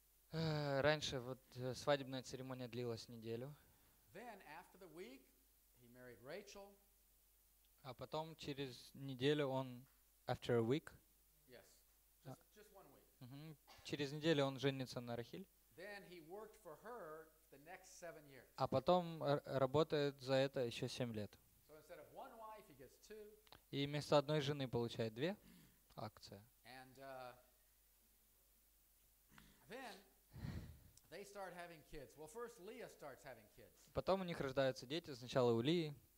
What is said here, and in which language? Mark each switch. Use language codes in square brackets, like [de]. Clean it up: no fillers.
[ru] Раньше вот свадебная церемония длилась неделю. [en] Then, after the week, he Rachel. [ru] А потом через неделю он, [en] after a week. Yes. Just one week. [ru] Через неделю он женится на Рахиль. [en] Then he worked for her the next 7 years. [ru] А потом работает за это еще 7 лет. [en] So instead of one wife, he gets two. [ru] И вместо одной жены получает 2 акции. [en] And then they start having kids. Well, first Leah starts having kids. [ru] Потом у них рождаются дети, сначала у Лии.